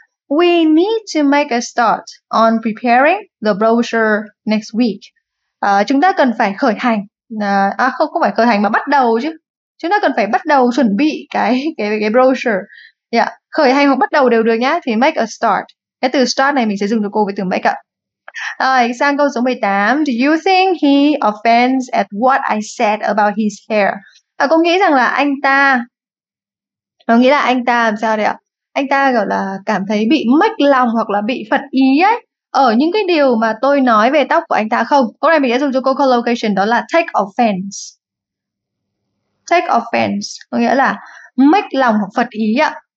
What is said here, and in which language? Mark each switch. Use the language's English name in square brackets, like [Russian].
[English] We need to make a start on preparing the brochure next week. [Vietnamese] Chúng ta cần phải khởi hành. Không không phải khởi hành mà bắt đầu chứ. Chúng ta cần phải bắt đầu chuẩn bị cái brochure. Khởi hành hoặc bắt đầu đều được nhé. Thì [English] make a start. [Vietnamese] Cái từ start này mình sẽ dùng cho cô với từ make ạ. Rồi, sang câu số 18. [English] Do you think he offends at what I said about his hair? [Vietnamese] À, cô nghĩ rằng là anh ta, nó nghĩ là anh ta làm sao đấy ạ? Anh ta gọi là cảm thấy bị mất lòng hoặc là bị phật ý ấy ở những cái điều mà tôi nói về tóc của anh ta không? Câu này mình đã dùng cho cô collocation, đó là [English] take offense. Take offense [Vietnamese] có nghĩa là mất lòng hoặc phật ý ạ.